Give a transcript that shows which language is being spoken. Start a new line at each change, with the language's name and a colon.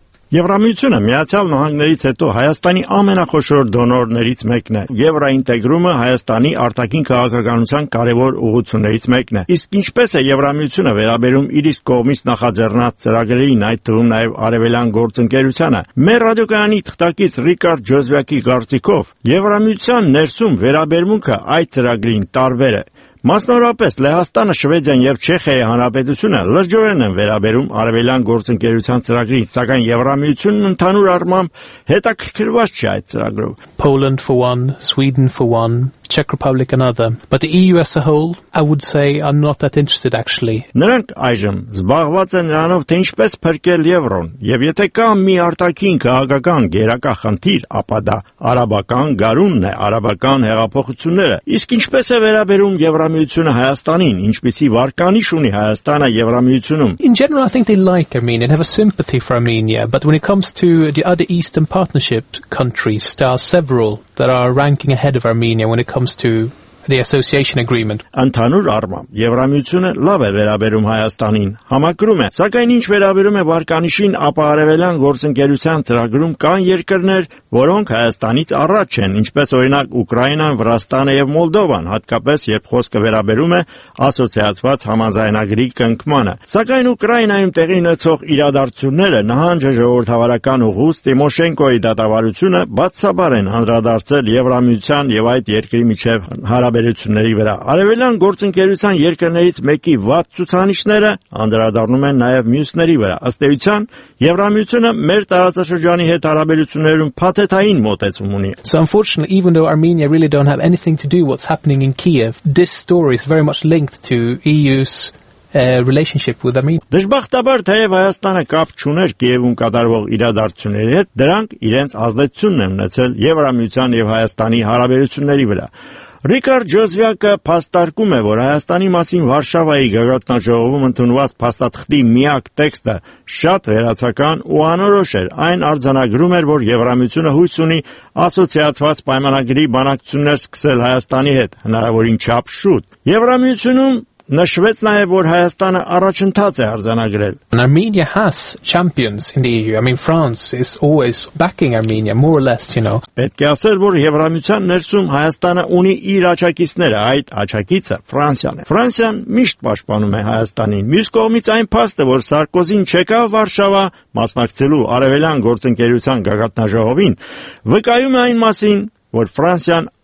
Armenian: Եվրամիությունը Միացյալ Նահանգներից հետո Հայաստանի ամենախոշոր դոնորներից մեկն է։ Եվրոինտեգրումը Հայաստանի արտաքին քաղաքականության կարևոր ուղղություններից մեկն է։ Իսկ ինչպես է Եվրամիությունը վերաբերում իր իսկ կողմից նախաձեռնած ծրագրերին, այդ թվում նաև Արևելյան գործընկերությանը։ Մեր ռադիոկայանի թղթակից Ռիկարդ Ջոզվյակի կարծիքով Եվրամիության ներսում վերաբերմունքը այդ ծրագրին տարբեր է։ Մասնավորապես Լեհաստանը, Շվեդիան և Չեխիայի Հանրապետությունը լրջորեն են վերաբերում Արևելյան գործընկերության ծրագրին, սակայն Եվրամիությունն ընդհանուր առմամբ հետաքրքրված չէ այդ ծրագրով։
English: Poland for one, Sweden for one, Czech Republic another, but the EU as a whole, I would say, are not that interested actually.
Armenian: Նրանք այժմ զբաղված են նրանով, թե ինչպես փրկել Եվրոն, և եթե կա մի արտաքին քաղաքական գերակա խնդիր, ապա դա արաբական գարունն է, արաբական հեղափոխությունները։ Իսկ ինչպես է վերաբերում Եվրամիությունը Հայաստանին, ինչպիսի վարկանիշ ունի Հայաստանը Եվրամիությունում։
English: In general, I think they like Armenia and have a sympathy for Armenia, but when it comes to the other Eastern Partnership countries, there are several that are ranking ahead of Armenia when it comes to the association agreement.
Armenian: Անթանուր արմամ, Եվրամիությունը լավ է վերաբերում Հայաստանին, համակրում է, սակայն ինչ վերաբերում է Վարկանիշին, ապա Արևելյան գործընկերության ծրագրում կան երկրներ, որոնք Հայաստանից առաջ են, ինչպես օրինակ Ուկրաինան, Վրաստանը եւ Մոլդովան, հատկապես երբ խոսքը վերաբերում է ասոցիացված համաձայնագրի կնքմանը։ Սակայն Ուկրաինայում տեղի ունեցող իրադարձությունները, նահանջը ժողովրդավարական ուղուց Տիմոշենկոյի դատավարությունը բացաբար են հանրադարձել Եվրամիության եւ այդ երկրի միջև հարաբերությունների վրա։ Արևելյան գործընկերության երկրներից մեկի վատ ցուցանիշները անդրադառնում են նաև մյուսների վրա։ Ըստ էության, Եվրամիությունը մեր տարածաշրջանի հետ հարաբերություններում փաթեթային մոտեցում ունի։
English: So unfortunately, even though Armenia really don't have anything to do with what's happening in Kiev, this story is very much linked to EU's relationship with Armenia.
Armenian: Դժբախտաբար, թեև Հայաստանը կապ չուներ Կիևում կատարվող իրադարձությունների հետ, դրանք իրենց ազդեցությունն են ունեցել Եվրամիության եւ Հայաստանի հարաբերությունների վրա։ Ռիկարդ Ջոզվյակը փաստարկում է, որ Հայաստանի մասին Վարշավայի գագաթնաժողովում ընդունված փաստաթղթի միակ տեքստը շատ վերացական ու անորոշ էր, այն արձանագրում էր, որ Եվրամիությունը հույս ունի ասոցիացված պայմանագրի բանակցություններ սկսել Հայաստանի հետ, հնարավորին չափ շուտ։ Եվրամիությունում նշվեց նաև, որ Հայաստանը առաջընթաց է արձանագրել։
English: Armenia has champions in the EU. I mean, France is always backing Armenia, more or less, you know.
Armenian: Պետք է ասել, որ Եվրամիության ներսում Հայաստանը ունի իր աջակիցները, այդ աջակիցը Ֆրանսիան է։ Ֆրանսիան միշտ պաշտպանում է Հայաստանին։ Մյուս կողմից այն փաստը, որ Սարկոզին չեկավ Վարշավա մասնակցելու Արևելյան գործընկերության գագաթնաժողովին, վկայում է այն մասին, որ Ֆրանսիան